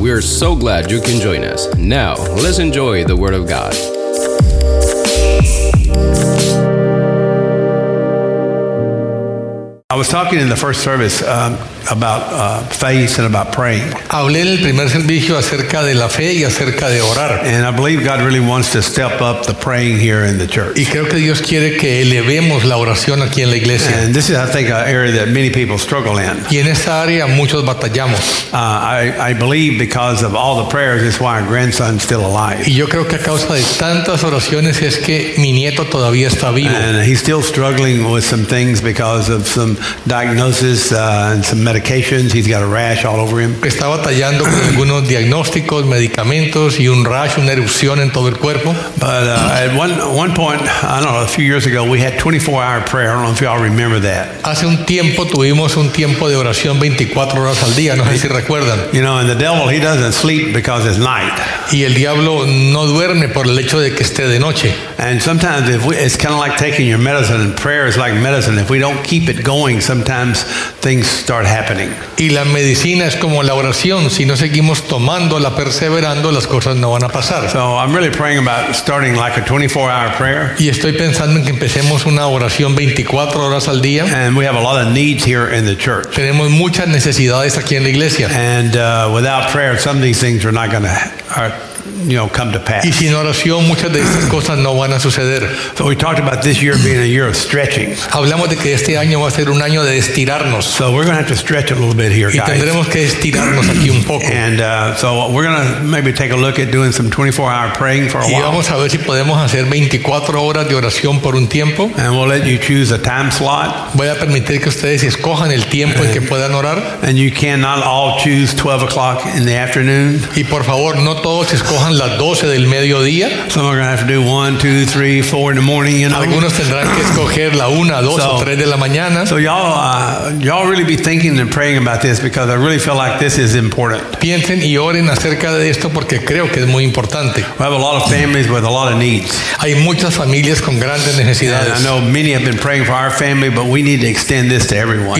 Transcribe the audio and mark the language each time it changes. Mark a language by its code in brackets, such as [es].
[en] We are so glad you can join us. Now, let's enjoy the Word of God. I was talking in the first service about faith and about praying. [es] Hablé en el primer servicio acerca de la fe y acerca de orar. [en] And I believe God really wants to step up the praying here in the church. [es] Y creo que Dios quiere que elevemos la oración aquí en la iglesia. [en] And this is, I think, an area that many people struggle in. [es] Y en esta área muchos batallamos. [en] I believe because of all the prayers is why our grandson's still alive. [es] Y yo creo que a causa de tantas oraciones es que mi nieto todavía está vivo. [en] And he's still struggling with some things because of some diagnosis and some medications. He's got a rash all over him. [es] Está batallando con algunos diagnósticos, medicamentos y un rash, una erupción en todo el cuerpo. [en] But at one point, I don't know, a few years ago, we had 24-hour prayer. I don't know if y'all remember that. [es] Hace un tiempo tuvimos un tiempo de oración 24 horas al día. No sé si recuerdan. [en] You know, and the devil, he doesn't sleep because it's night. [es] Y el diablo no duerme por el hecho de que esté de noche. [en] And sometimes if we, it's kind of like taking your medicine, and prayer is like medicine. If we don't keep it going, sometimes things start happening. [es] Y la medicina es como la oración. Si no seguimos tomándola, perseverando, las cosas no van a pasar. [en] So I'm really praying about starting like a 24-hour prayer. [es] Y estoy pensando en que empecemos una oración 24 horas al día. [en] And we have a lot of needs here in the church. [es] Tenemos muchas necesidades aquí en la iglesia. [en] And without prayer, some of these things are not going to come to pass. [es] Y sin oración, muchas de estas cosas no van a suceder. [en] So we talked about this year being a year of stretching. [es] Hablamos de que este año va a ser un año de estirarnos. [en] So we're going to have to stretch a little bit here, guys. [es] Y tendremos que estirarnos aquí un poco. [en] And so we're going to maybe take a look at doing some 24-hour praying for a while. [es] Y vamos a ver si podemos hacer 24 horas de oración por un tiempo. [en] And we'll let you choose a time slot. [es] Voy a permitir que ustedes escojan el tiempo en que puedan orar. [en] And you cannot all choose 12 o'clock in the afternoon. [es] Y por favor, no todos escojan las 12 del mediodía. [en] Some are going to have to do 1, 2, 3, 4 in the morning, you know. [es] Algunos tendrán que escoger la 1, 2, o 3 de la mañana. [en] So y'all really be thinking and praying about this because I really feel like this is important. [es] Piensen y oren acerca de esto porque creo que es muy importante. [en] We have a lot of families with a lot of needs. [es] Hay muchas familias con grandes necesidades. [en] And I know many have been praying for our family, but we need to extend this to everyone.